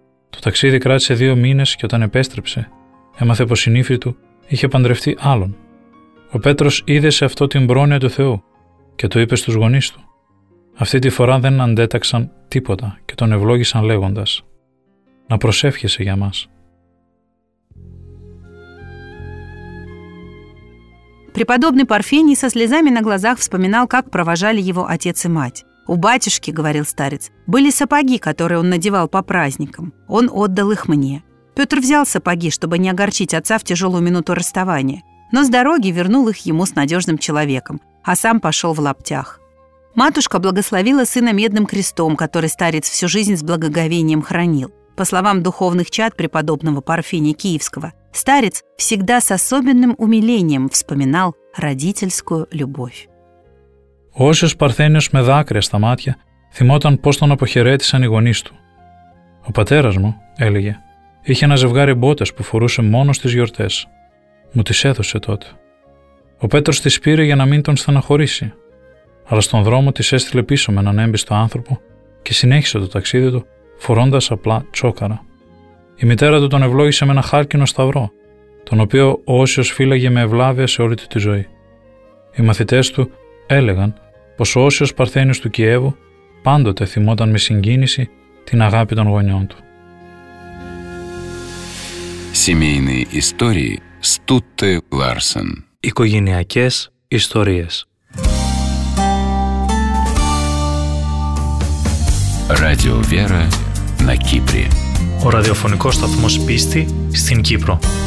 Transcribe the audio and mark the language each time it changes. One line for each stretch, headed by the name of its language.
Greek: Το ταξίδι κράτησε 2 μήνες και όταν επέστρεψε, έμαθε πως η νύφη του είχε παντρευτεί άλλον. Ο Πέτρος είδε σε αυτό την πρόνοια του Θεού και το είπε στους γονείς του. Αυτή τη φορά δεν αντέταξαν τίποτα και τον ευλόγησαν λέγοντας: «Να προσεύχεσαι για μας».
Russian: Преподобный Парфений со слезами на глазах вспоминал, как провожали его отец и мать. «У батюшки, — говорил старец, — были сапоги, которые он надевал по праздникам. Он отдал их мне». Петр взял сапоги, чтобы не огорчить отца в тяжелую минуту расставания, но с дороги вернул их ему с надежным человеком, а сам пошел в лаптях. Матушка благословила сына медным крестом, который старец всю жизнь с благоговением хранил. По словам духовных чад преподобного Парфения Киевского, старец всегда с особенным умилением вспоминал родительскую любовь.
Greek: Όσιος Παρθένιος με δάκρυα στα μάτια θυμόταν πώς τον αποχαιρέτησαν οι γονείς του. «Ο πατέρας μου», έλεγε, «είχε ένα ζευγάρι μπότες που φορούσε μόνο στις γιορτές. Μου τις έδωσε τότε. Ο Πέτρος τις πήρε για να μην τον στεναχωρήσει, αλλά στον δρόμο τις έστειλε πίσω με έναν έμπιστο άνθρωπο και συνέχισε το ταξίδι του φορώντας απλά τσόκαρα. Η μητέρα του τον ευλόγησε με ένα χάλκινο σταυρό, τον οποίο ο Όσιος φύλαγε με ευλάβεια σε όλη του τη ζωή. Οι μαθητές του έλεγαν πως ο Όσιος Παρθένιος του Κιέβου πάντοτε θυμόταν με συγκίνηση την αγάπη των γονιών του».
Russian: Семейные истории Стутте Ларсен.
Greek: Οικογενειακές ιστορίες.
Russian: Радио Вера на Кипре.
Greek: Ο ραδιοφωνικός σταθμός πίστη στην Κύπρο.